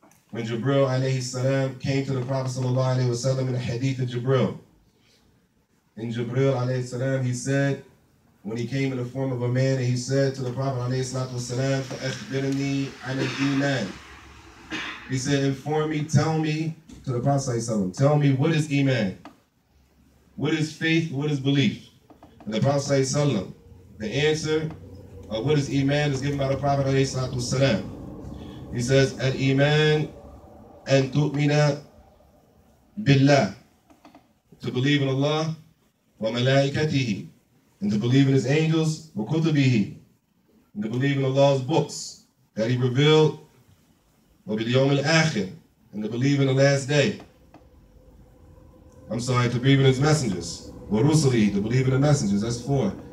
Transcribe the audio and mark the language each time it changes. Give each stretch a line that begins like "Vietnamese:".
English: When Jibril alayhi salam came to the Prophet sallallahu alayhi wasallam in the hadith of Jibril, in Jibril alayhi salam, he said, when he came in the form of a man, and he said to the Prophet alayhi salatu wasalam,
Arabic: فَأَخْبِرْنِي عَنِ الْإِيمَانِ.
English: He said, inform me, tell me, to the Prophet alayhi salam, tell me, what is Iman? What is faith? What is belief? And the Prophet alayhi salam, the answer of what is Iman is given by the Prophet alayhi salatu wasalam. He says,
Arabic: الإيمان أن تؤمن بالله.
English: To believe in Allah,
Arabic: وملائكته,
English: and to believe in his angels,
Arabic: وكتبه,
English: and to believe in Allah's books that he revealed,
Arabic: وباليوم الآخر,
English: and to believe in the last day. I'm sorry, to believe in his messengers,
Arabic: ورسله,
English: to believe in the messengers, that's four.